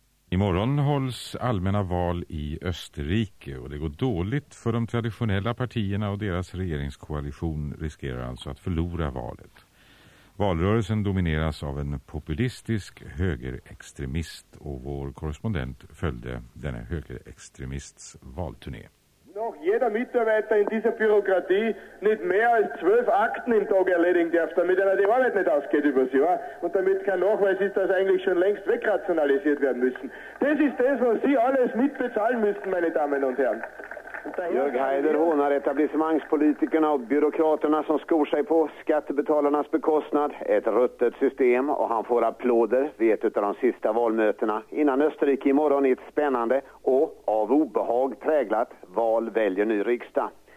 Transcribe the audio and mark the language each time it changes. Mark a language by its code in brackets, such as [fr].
[sv] Imorgon hålls allmänna val i Österrike och det går dåligt för de traditionella partierna och deras regeringskoalition riskerar alltså att förlora valet. Valrörelsen domineras av en populistisk högerextremist och vår korrespondent följde denna högerextremists valturné. [de] Noch jeder Mitarbeiter in dieser Bürokratie nicht mehr als 12 Akten im Tag erledigen darf, damit einer die Arbeit nicht ausgeht über sie, wa? Und damit kein Nachweis ist, dass eigentlich schon längst wegrationalisiert werden müssen. Das ist das, was Sie alles mitbezahlen müssten, meine Damen und Herren. [sv] Jörg Haider hånar etablissemangspolitikerna och byråkraterna som skor sig på skattebetalarnas bekostnad. Ett ruttet system och han får applåder vid ett av de sista valmötena innan Österrike imorgon i ett spännande och av obehag präglat val väljer ny riksdag.